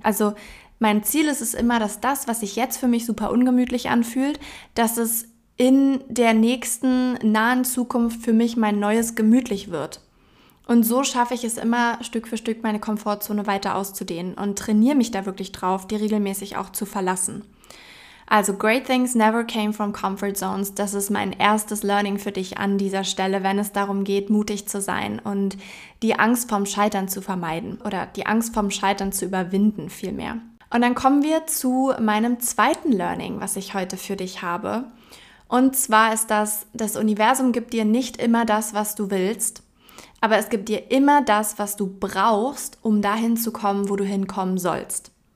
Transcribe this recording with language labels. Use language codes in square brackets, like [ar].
[de] Also mein Ziel ist es immer, dass das, was sich jetzt für mich super ungemütlich anfühlt, dass es in der nächsten nahen Zukunft für mich mein neues gemütlich wird. Und so schaffe ich es immer, Stück für Stück meine Komfortzone weiter auszudehnen und trainiere mich da wirklich drauf, die regelmäßig auch zu verlassen. [en] Also, great things never came from comfort zones. [de] Das ist mein erstes Learning für dich an dieser Stelle, wenn es darum geht, mutig zu sein und die Angst vorm Scheitern zu vermeiden oder die Angst vorm Scheitern zu überwinden vielmehr. Und dann kommen wir zu meinem zweiten Learning, was ich heute für dich habe. Und zwar ist das Universum gibt dir nicht immer das, was du willst, aber es gibt dir immer das, was du brauchst, um dahin zu kommen, wo du hinkommen sollst.